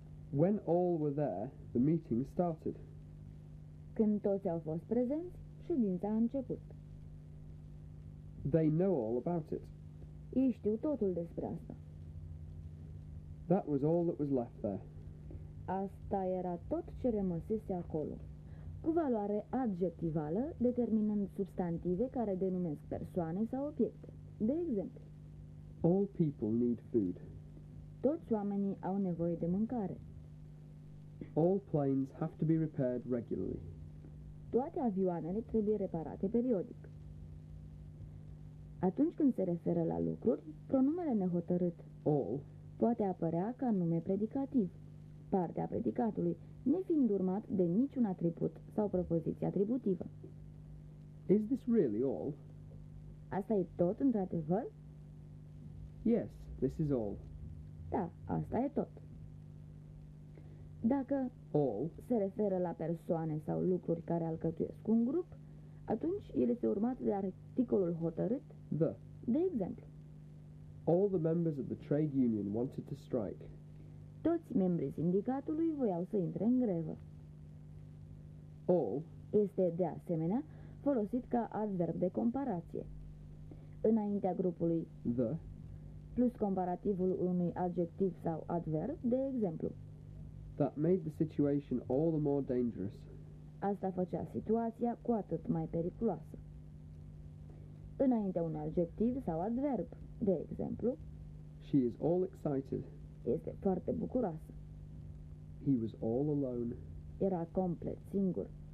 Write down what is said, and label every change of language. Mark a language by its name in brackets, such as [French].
[English] When all were there, the meeting started. [Romanian] Când toți au fost prezenți, ședința a început. [English] They know all about it. [Romanian] Ei știu totul despre asta. [English] That was all that was left there. [Romanian] Asta era tot ce rămăsese acolo. Cu valoare adjectivală, determinând substantive care denumesc persoane sau obiecte. De exemplu, [English] all people need food. [Romanian] Toți oamenii au nevoie de mâncare. [English] All planes have to be repaired regularly. [Romanian] Toate avioanele trebuie reparate periodic. Atunci când se referă la lucruri, pronumele nehotărât [English] all [Romanian] poate apărea ca nume predicativ, partea predicatului, nefiind urmat de niciun atribut sau propoziție atributivă. [English] Is this really all? [Romanian] Asta e tot, într-adevăr? [English] Yes, this is all. [Romanian] Da, asta e tot. Dacă [English] all [Romanian] se referă la persoane sau lucruri care alcătuiesc un grup, atunci el este urmat de articolul hotărât [English] the. [Romanian] De exemplu, [English] all the members of the trade union wanted to strike. [Romanian] Toți membrii sindicatului voiau să intre în grevă. [English] All [Romanian] este, de asemenea, folosit ca adverb de comparație. Înaintea grupului [English] the [Romanian] plus comparativul unui adjectiv sau adverb, de exemplu, [English] that made the situation all the more dangerous. [Romanian] Asta făcea situația cu atât mai periculoasă. Înaintea unui adjectiv sau adverb, de exemplu, [English] she is all excited. [Romanian] Este foarte bucuroasă. [English] He was all alone. [Romanian] Era complet singur.